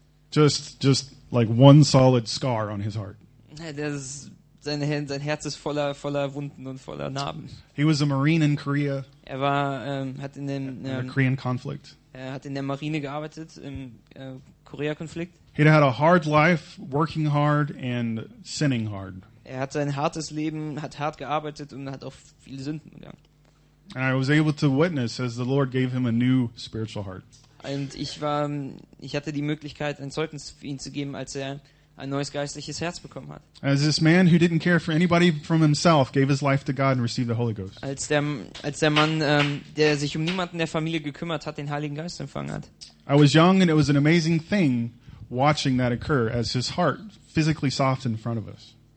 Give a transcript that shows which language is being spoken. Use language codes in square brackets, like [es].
[en] just like one solid scar on his heart. [de] Sein Herz ist voller Wunden und voller Narben. [en] He was a Marine in Korea. [de] Er war hat in dem [en] Korean conflict. [de] Er hat in der Marine gearbeitet im Koreakonflikt. [en] He had a hard life, working hard and sinning hard. [de] Er hat sein hartes Leben, hat hart gearbeitet und hat auch viele Sünden begangen. [en] And I was able to witness as the Lord gave him a new spiritual heart. [de] Und ich hatte die Möglichkeit, ein Zeugnis für ihn zu geben, als er ein neues geistliches Herz bekommen hat. [en] As this man who didn't care for anybody from himself gave his life to God and received the Holy Ghost. [de] Als der Mann, der sich um niemanden der Familie gekümmert hat, den Heiligen Geist empfangen hat. [en] I was young and it was an amazing thing watching that occur as his heart physically softened in front of us.